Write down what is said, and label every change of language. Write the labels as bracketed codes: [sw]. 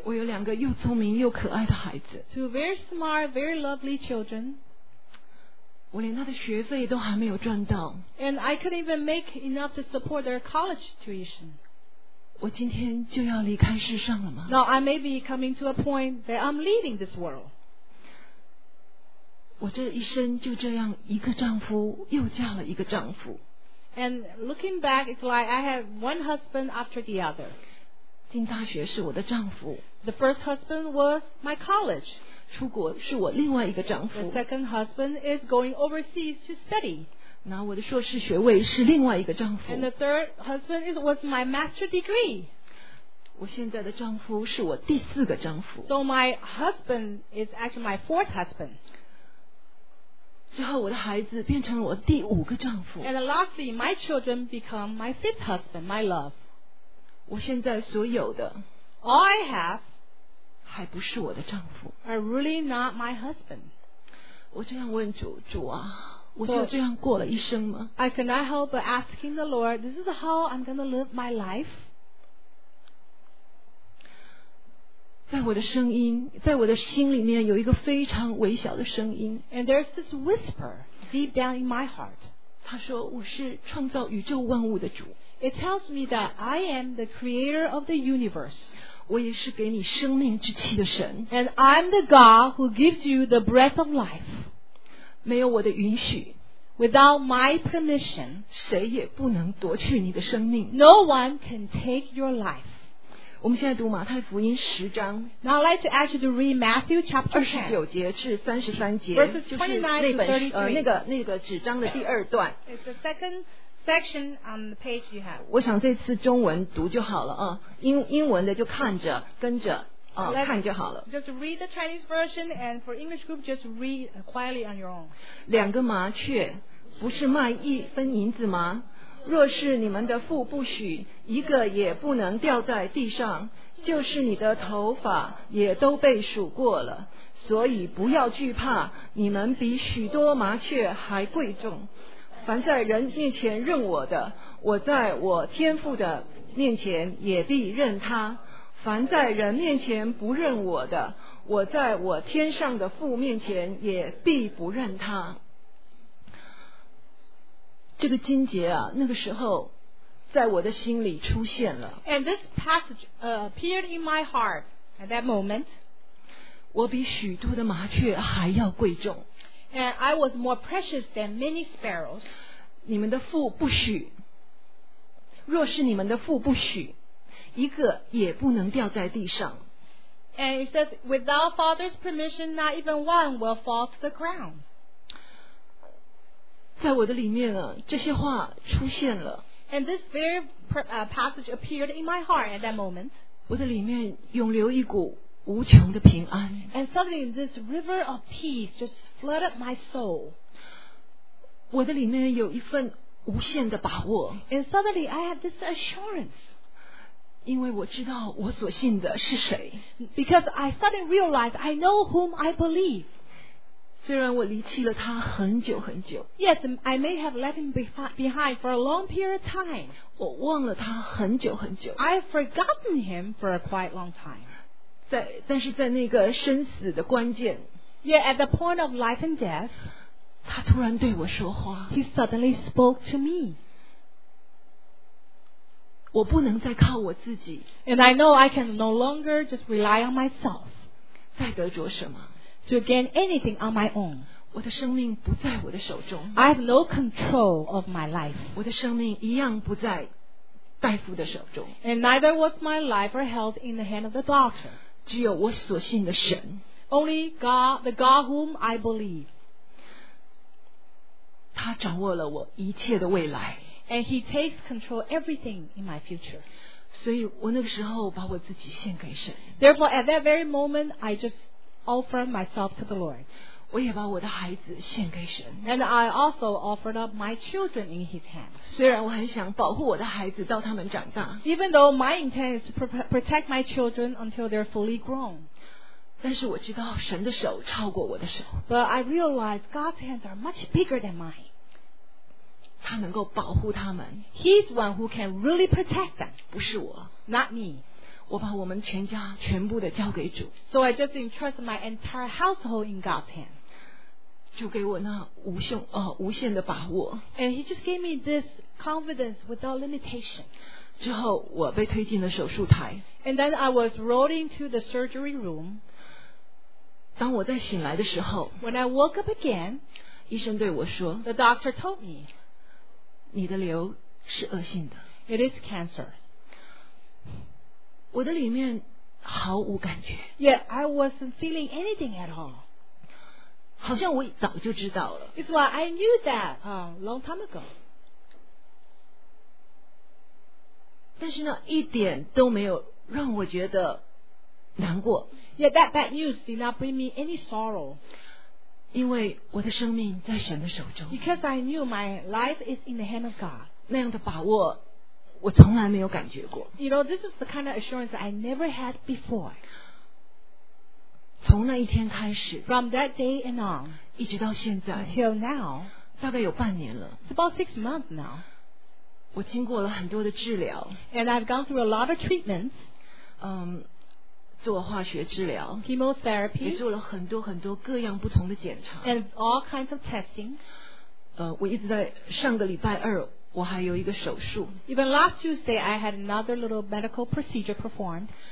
[zh] 我有两个又聪明又可爱的孩子。 [en] Two very smart, very lovely children. [zh] 我连他的学费都还没有赚到。 [en] And I couldn't even make enough to support their college tuition. [zh] 我今天就要离开世上了吗？ [en] No, I may be coming to a point that I'm leaving this world. [zh] 我这一生就这样一个丈夫又嫁了一个丈夫。 [en] And looking back, it's like I have one husband after the other. [zh] 进大学是我的丈夫。 [en] The first husband was my college. [zh] 出国是我另外一个丈夫。 [en] The second husband is going overseas to study. [zh] 拿我的硕士学位是另外一个丈夫。 [en] And the third husband was my master degree. [zh] 我现在的丈夫是我第四个丈夫。 [en] So my husband is actually my fourth husband. [zh] 之后我的孩子变成了我第五个丈夫。 [en] And lastly, my children become my fifth husband, my love. [zh] 我现在所有的 [en] All I have [zh] 还不是我的丈夫。 [en] Are really not my husband. [zh] 我这样问主，主啊。我就这样过了一生吗？ [en] So, I cannot help but asking the Lord, this is how I'm going to live my life. [zh] 在我的声音，在我的心里面有一个非常微小的声音。 [en] And there's this whisper deep down in my heart. [zh] 他说我是创造宇宙万物的主。 [en] It tells me that I am the creator of the universe. [zh] 我也是给你生命之气的神。 [en] And I'm the God who gives you the breath of life. [zh] 没有我的允许。 [en] Without my permission, [zh] 谁也不能夺取你的生命。 [en] No one can take your life. [zh] 我们现在读马太福音十章。 [en] Now I'd like to ask you to read Matthew chapter 10. [zh] 29节至33节。 [en] Verses 29 to 33. [zh] 那个纸张的第二段。 [en] It's the second section on the page you have. [zh] 我想这次中文读就好了啊，英文的就看着跟着。看就好了。 [en] Just read the Chinese version, and for English group, just read quietly on your own. [zh] 两个麻雀不是卖一分银子吗？若是你们的父不许，一个也不能掉在地上，就是你的头发也都被数过了。所以不要惧怕，你们比许多麻雀还贵重。凡在人面前认我的，我在我天父的面前也必认他。凡在人面前不认我的，我在我天上的父面前也必不认他。这个金节啊，那个时候在我的心里出现了。 [en] And this passage appeared in my heart at that moment. [zh] 我比许多的麻雀还要贵重。 [en] And I was more precious than many sparrows. [zh] 你们的父不许，若是你们的父不许，一个也不能掉在地上。 [en] And it says, without father's permission, not even one will fall to the ground. [zh] 在我的里面啊，这些话出现了。 [en] And this very passage appeared in my heart at that moment. [zh] 我的里面涌流一股无穷的平安。 [en] And suddenly this river of peace just flooded my soul. [zh] 我的里面有一份无限的把握。 [en] And suddenly I have this assurance. [zh] 因为我知道我所信的是谁。 [en] Because I suddenly realized I know whom I believe. [zh] 虽然我离弃了他很久很久。 [en] Yes, I may have left him behind for a long period of time. [zh] 我忘了他很久很久。 [en] I've forgotten him for a quite long time. [zh] 但是在那个生死的关键。 [en] Yet at the point of life and death, [zh] 他突然对我说话。 [en] He suddenly spoke to me. [zh] 我不能再靠我自己。 [en] And I know I can no longer just rely on myself. [zh] 再得着什么？ [en] To gain anything on my own. [zh] 我的生命不在我的手中。 [en] I have no control of my life. [zh] 我的生命一样不在大夫的手中。 [en] And neither was my life or health in the hand of the doctor. [zh] 只有我所信的神。 [en] Only God, the God whom I believe. [zh] 他掌握了我一切的未来。 [en] And he takes control everything in my future. [zh] 所以我那个时候把我自己献给神。 [en] Therefore, at that very moment, I just offer myself to the Lord. [zh] 我也把我的孩子献给神。 [en] And I also offered up my children in his hand. [zh] 虽然我很想保护我的孩子到他们长大。 [en] Even though my intent is to protect my children until they're fully grown. [zh] 但是我知道神的手超过我的手。 [en] But I realize God's hands are much bigger than mine. [zh] 他能够保护他们。 [en] He's one who can really protect them. [zh] 不是我。 [en] Not me. [zh] 我把我们全家全部的交给主。 [en] So I just entrust my entire household in God's hand. [zh] 主给我那无限的把握。 [en] And he just gave me this confidence without limitation. [zh] 之后我被推进了手术台。 [en] And then I was rolled into the surgery room. [zh] 当我在醒来的时候， [en] When I woke up again, [zh] 医生对我说， [en] The doctor told me, [zh] 你的瘤是恶性的。 [en] It is cancer. [zh] 我的里面毫无感觉。 [en] Yet I wasn't feeling anything at all. [zh] 好像我早就知道了。 [en] It's like I knew that a long time ago. [zh] 但是呢，一点都没有让我觉得难过。 [en] Yet that bad news did not bring me any sorrow. [zh] 因为我的生命在神的手中。 [en] Because I knew my life is in the hand of God. [zh] 那样的把握我从来没有感觉过。 [en] You know, this is the kind of assurance I never had before. [zh] 从那一天开始， [en] From that day and on, [zh] 一直到现在， [en] Until now, [zh] 大概有半年了。 [en] It's about 6 months now. [zh] 我经过了很多的治疗。 [en] And I've gone through a lot of treatments. [zh] 做化学治疗， [en] chemotherapy, [zh] 也做了很多很多各样不同的检查， [en] and all kinds of testing. [zh] 我一直在上个礼拜二我还有一个手术。 [en] Even last Tuesday, I had another little medical procedure performed.